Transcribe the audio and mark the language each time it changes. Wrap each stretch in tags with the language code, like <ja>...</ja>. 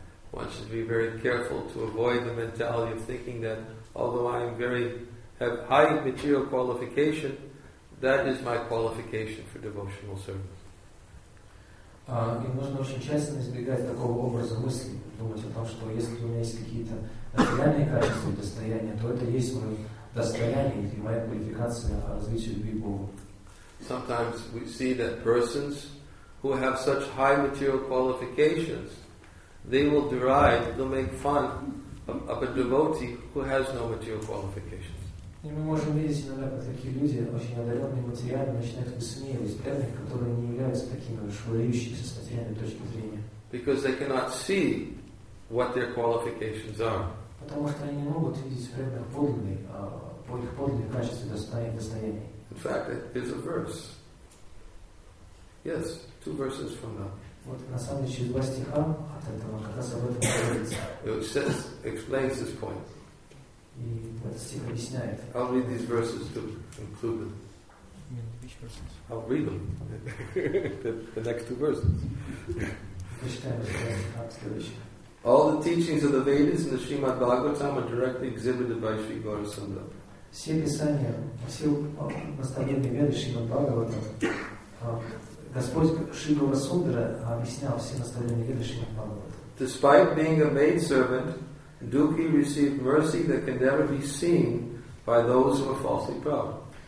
<en>One should be very careful to avoid the mentality of thinking that although I am very have high material qualification, that is my qualification for devotional service.</en> <ru>И нужно очень тщательно избегать такого образа мысли, думать о том, что если у меня есть какие-то материальные качества и достояния, то это есть мое достояние и моя квалификация о развитии любви к Богу.</ru> <en>Sometimes we see that persons who have such high material qualifications, they will deride, they'll make fun of a devotee who has no material qualifications.</en> <ru>И мы можем видеть иногда, как такие люди, очень одаренные материально, начинают высмеивать преданных, которые не являются такими уж выдающимися с материальной точки зрения.</ru> <en>Because they cannot see what their qualifications are.</en> <ru>Потому что они не могут видеть преданных подлинные качества достояний.</ru> <en>In fact, there's a verse. Yes, two verses from that.</en> <ru>Вот на самом деле через два стиха от этого как раз об этом говорится.</ru> <en>It says, explains this point.</en> <ru>И этот стих объясняет.</ru> <en>I'll read these verses to include them. You mean which verses? I'll read them. the next two verses. All the teachings of the Vedas and the Srimad Bhagavatam are directly exhibited by Sri Gaurasundara.</en> <ru>Все писания, все постановления Веды Шримад Бхагаватам, Господь Шри Гаурасундара объяснял все постановления Веды Шримад Бхагаватам.</ru> <en>Despite being a maidservant, Дуки received mercy that can never be seen by those who are falsely proud.</en>